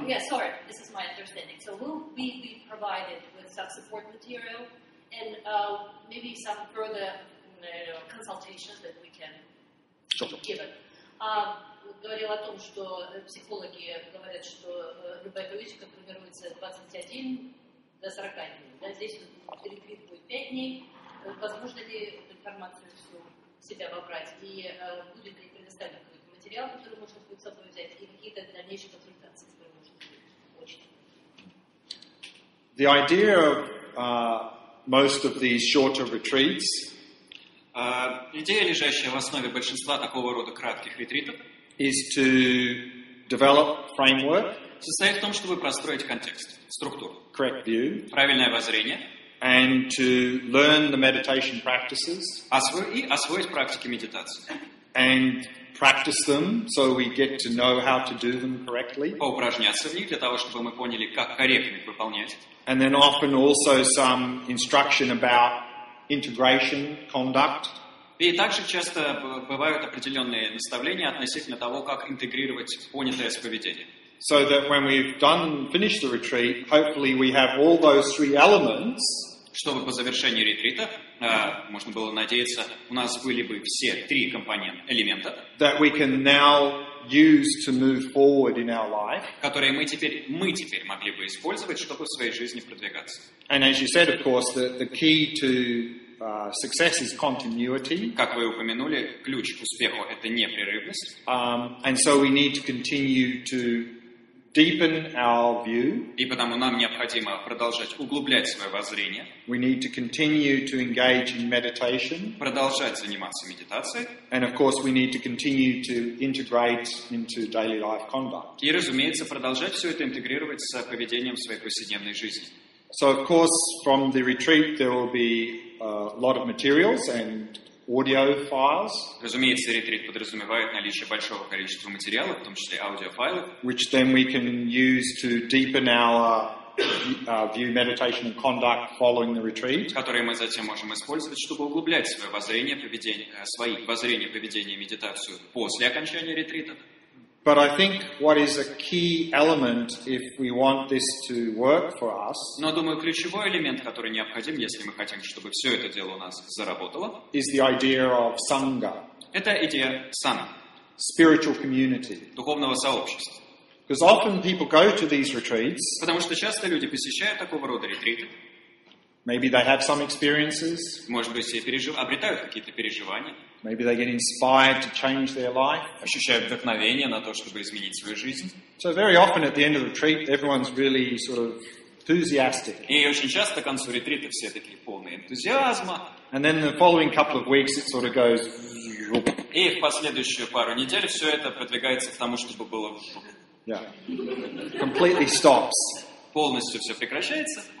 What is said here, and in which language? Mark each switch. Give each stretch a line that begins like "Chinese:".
English: Sorry, this is my understanding. So will we be provided with some support material? And maybe some further consultations that we can give.
Russian: Говорил о том, что психологи говорят, что любая привычка формируется 21 до 40 дней. Да, здесь ретрит будет 5 дней. Возможно ли эту информацию всю в себя вобрать? И будет ли предоставлен какой-то материал, который можно будет с собой взять, и какие-то дальнейшие консультации, которые можно будет учить?
English: The idea of most of these shorter retreats
Russian: Идея, лежащая в основе большинства такого рода кратких ретритов,
English: is to develop framework,
Russian: состоит в том, чтобы простроить контекст, структуру,
English: correct view,
Russian: правильное воззрение,
English: and to learn the meditation practices,
Russian: и освоить практики медитации.
English: And practice them so we get to know how to do them correctly.
Russian: Поупражняться в них для того, чтобы мы поняли, как корректно их выполнять.
English: And then often also some instruction about integration conduct.
Russian: И также часто бывают определенные наставления относительно того, как интегрировать понятое с поведением.
English: So that when we've done finished the retreat, hopefully we have all those three elements.
Russian: Чтобы по завершении ретрита можно было надеяться, у нас были бы все три элемента,
English: that we can now use to move forward in our life,
Russian: которые мы теперь могли бы использовать, чтобы в своей жизни продвигаться.
English: And as you said, of course, the key to success is continuity.
Russian: Как вы упомянули, ключ к успеху — это непрерывность.
English: And so we need to continue to deepen our view.
Russian: И потому нам необходимо продолжать углублять свое воззрение.
English: We need to continue to engage in meditation.
Russian: Продолжать заниматься медитацией.
English: And of course, we need to continue to integrate into daily life conduct.
Russian: И, разумеется, продолжать все это интегрировать с поведением в своей повседневной жизни.
English: So, of course, from the retreat there will be a lot of materials and audio files.
Russian: Разумеется, ретрит подразумевает наличие большого количества материалов, в том числе аудиофайлов,
English: which then we can use to deepen our view, meditation and conduct following the retreat.
Russian: Которые мы затем можем использовать, чтобы углублять свое воззрение, поведение, медитацию после окончания ретрита.
English: But I think what is a key element if we want this to work for us,
Russian: но думаю, ключевой элемент, который необходим, если мы хотим, чтобы все это дело у нас заработало,
English: is the idea of sangha.
Russian: Это идея санга.
English: Spiritual community.
Russian: Духовного сообщества.
English: Because often people go to these retreats.
Russian: Потому что часто люди посещают такого рода ретриты.
English: Maybe they have some experiences.
Russian: Может быть, все обретают какие-то переживания.
English: Maybe they get inspired to change their life.
Russian: Ощущают вдохновение на то, чтобы изменить свою жизнь.
English: So very often at the end of the retreat, everyone's really sort of enthusiastic.
Russian: И очень часто к концу ретрита все такие полные энтузиазма.
English: And then the following couple of weeks, it sort of goes.
Russian: И в последующую пару недель все это продвигается к тому, чтобы было.
English: Yeah. Completely stops.
Russian: Полностью все прекращается.